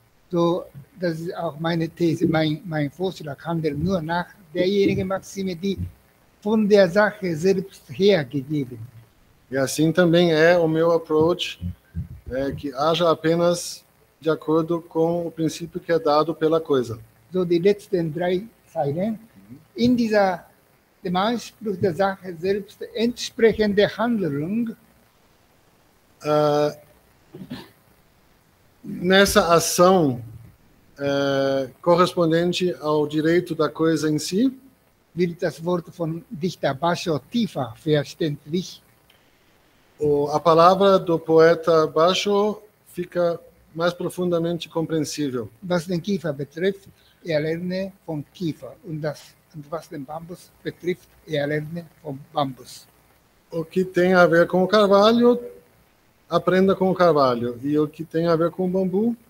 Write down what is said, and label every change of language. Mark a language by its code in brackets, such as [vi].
[de] So, das ist auch meine These, mein Vorschlag handelt nur nach derjenigen Maxime, die von der Sache selbst hergegeben. [pt] E assim também é o meu approach, é que haja apenas de acordo com o princípio que é dado pela coisa. [de] So, die letzten drei Zeilen. In dem Anspruch der Sache selbst entsprechende Handlung. [pt] Nessa ação correspondente ao direito da coisa em si, [de] wird das Wort von Dichter Basho tiefer verständlich. [pt] A palavra do poeta Basho fica mais profundamente compreensível. [de] Was den Kiefer betrifft, lerne vom Kiefer. Und was den Bambus betrifft, lerne vom Bambus. [pt] O que tem a ver com o carvalho, aprenda com o carvalho. E o que tem a ver com o bambu,